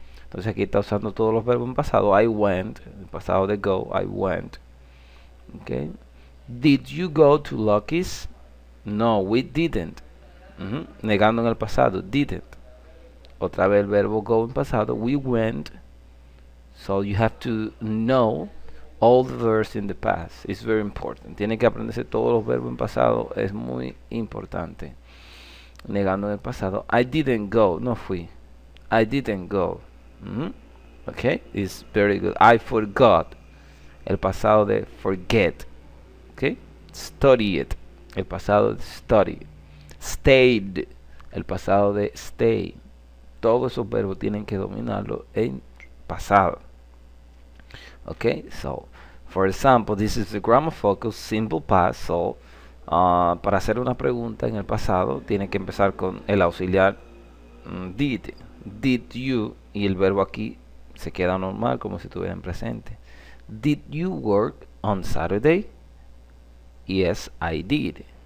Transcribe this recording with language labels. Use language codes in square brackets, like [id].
[es] Entonces aquí está usando todos los verbos en pasado. [en] I went, [es] en pasado de [en] go, I went. Okay. Did you go to Lucky's? No, we didn't. [es] Negando en el pasado, didn't. Otra vez el verbo go en pasado, we went. [en] So you have to know all the verbs in the past. It's very important. [es] Tiene que aprenderse todos los verbos en pasado. Es muy importante. Negando en el pasado, [en] I didn't go, [es] no fui. I didn't go. [en] Okay, it's very good. I forgot. [es] El pasado de forget. [en] Okay, study it. [es] El pasado de study. [en] Stayed. [es] El pasado de stay. Todos esos verbos tienen que dominarlo en pasado. [en] Okay, so for example, this is the grammar focus simple past. [es] So, para hacer una pregunta en el pasado, tiene que empezar con el auxiliar did. Did you, y el verbo aquí se queda normal como si estuviera en presente. [en] Did you work on Saturday? Yes, I did.